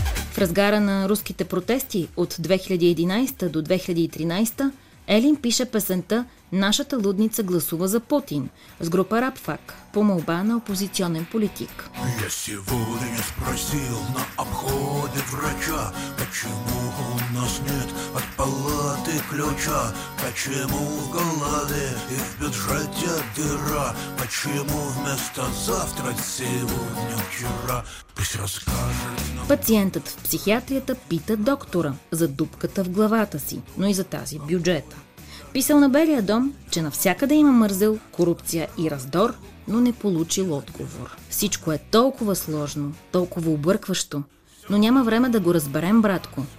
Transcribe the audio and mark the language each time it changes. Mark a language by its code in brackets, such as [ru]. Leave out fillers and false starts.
[bg] В разгара на руските протести от 2011 до 2013-та Елин пише песента «Нашата лудница гласува за Путин» с група Рапфак по молба на опозиционен политик. [ru] Я сегодня спросил на обходе врача, почему у нас нет от палаты ключа, почему в голове и в бюджете дыра, почему вместо завтра сегодня вчера. Пусть расскажет нам... [bg] Пациентът в психиатрията пита доктора за дупката в главата си, но и за тази бюджета. Писал на Белия дом, че навсякъде има мързел, корупция и раздор, но не получил отговор. Всичко е толкова сложно, толкова объркващо, но няма време да го разберем, братко.